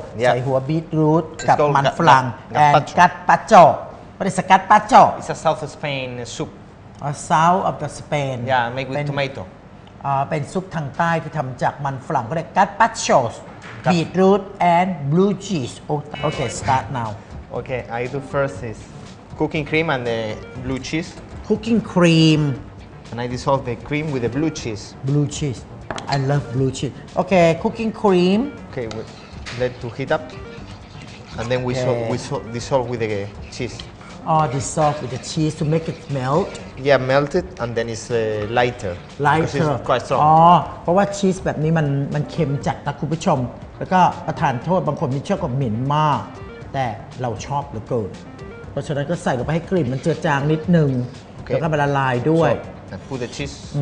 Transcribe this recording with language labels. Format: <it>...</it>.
<th>ใส่หัวบีทรูทกับมันฝรั่ง and gazpacho.</th> <en>What is gazpacho? It's a South Spain soup. A south of the Spain. Yeah, make with tomato.</en> <th>เป็นซุปทางใต้ที่ทำจากมันฝรั่งก็เรียก gazpacho,</th> <en>beetroot and blue cheese. Okay, start now. Okay, I do first is cooking cream and the blue cheese. Cooking cream. And I dissolve the cream with the blue cheese. Blue cheese. I love blue cheese. Okay, cooking cream. Okay, we let to heat up, and then we dissolve with the cheese. Oh, dissolve with the cheese to make it melt. Yeah, melt it and then it's lighter. Lighter. Because it's quite strong.</en> <th>Oh, เพราะว่าชีสแบบนี้มันเค็มจัดนะคุณผู้ชมแล้วก็ประทานโทษบางคนมีเชื่อกับเหม็นมากแต่เราชอบเหลือเกินเพราะฉะนั้นก็ใส่ลงไปให้กลิ่นมันเจือจางนิดนึง</th> <en>okay.</en> <th>แล้วก็ละลายด้วย</th> <en>so, put the cheese.</en>